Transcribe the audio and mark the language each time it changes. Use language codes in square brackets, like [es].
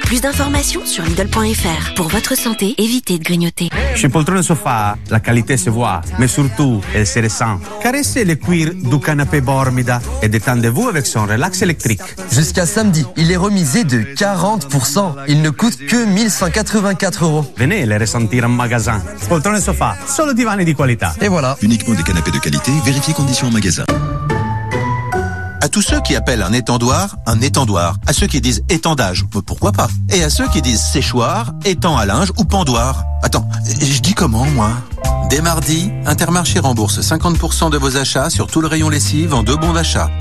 [fr] Plus d'informations sur Lidl.fr. Pour votre santé, évitez de grignoter. Chez Poltrone Sofa, la qualité se voit, mais surtout, elle se ressent. Caressez le cuir du canapé Bormida et détendez-vous avec son relax électrique. Jusqu'à samedi, il est remisé de 40%. Il ne coûte que 1184€. Venez les ressentir en magasin. [it] Poltrone Sofa, solo divan di qualità. [fr] Et voilà. Uniquement des canapés de qualité, vérifiez conditions en magasin. À tous ceux qui appellent un étendoir, un étendoir. À ceux qui disent étendage, pourquoi pas. Et à ceux qui disent séchoir, étang à linge ou pendoir. Attends, je dis comment, moi? Dès mardi, Intermarché rembourse 50% de vos achats sur tout le rayon lessive en deux bons d'achat.